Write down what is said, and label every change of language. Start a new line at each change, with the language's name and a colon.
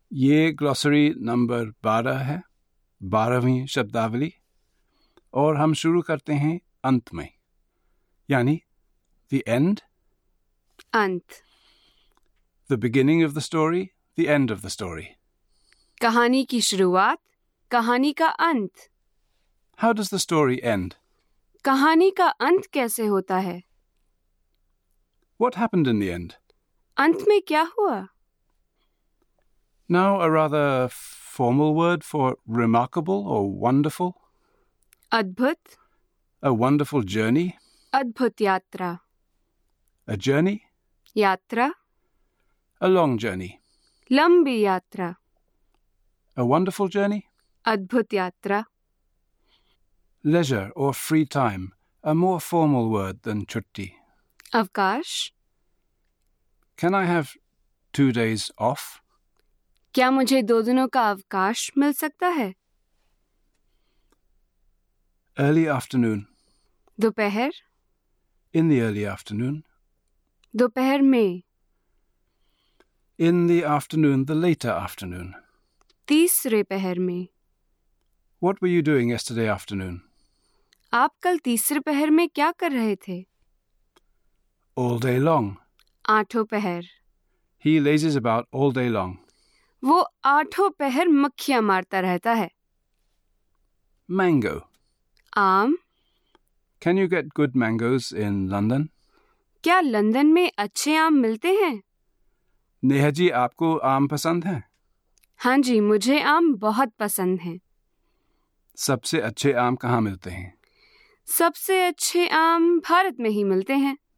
Hindi: ये glossary number 12 है, 12वीं शब्दावली, और हम शुरू करते हैं अंत में, यानी
English: the end,
Hindi: अंत,
English: The beginning of the story, the end of the story.
Hindi: कहानी की शुरुआत, कहानी का अंत।
English: How does the story end?
Hindi: कहानी का अंत कैसे होता है?
English: What happened in the end?
Hindi: अंत में क्या हुआ?
English: Now a rather formal word for remarkable or wonderful.
Hindi: अद्भुत।
English: A wonderful journey.
Hindi: अद्भुत यात्रा।
English: A journey.
Hindi: यात्रा।
English: A long journey.
Hindi: लंबी यात्रा।
English: A wonderful journey.
Hindi: अद्भुत यात्रा।
English: Leisure or free time, a more formal word than chutti.
Hindi: अवकाश।
English: Can I have 2 days off?
Hindi: क्या मुझे 2 दिनों का अवकाश मिल सकता है?
English: Early afternoon.
Hindi: दोपहर।
English: In the early afternoon.
Hindi: दोपहर में।
English: In the afternoon, the later afternoon.
Hindi: तीसरे पहर में।
English: What were you doing yesterday afternoon?
Hindi: आप कल तीसरे पहर में क्या कर रहे थे?
English: All day long.
Hindi: आठों पहर।
English: He lazes about all day long.
Hindi: वो आठों पहर मक्खियां मारता रहता है।
English: Mango.
Hindi: आम।
English: Can you get good mangoes in London?
Hindi: क्या लंदन में अच्छे आम मिलते हैं? नेहा जी, आपको आम पसंद हैं? हाँ जी, मुझे आम बहुत पसंद हैं। सबसे अच्छे आम कहाँ मिलते हैं? सबसे अच्छे आम भारत में ही मिलते हैं।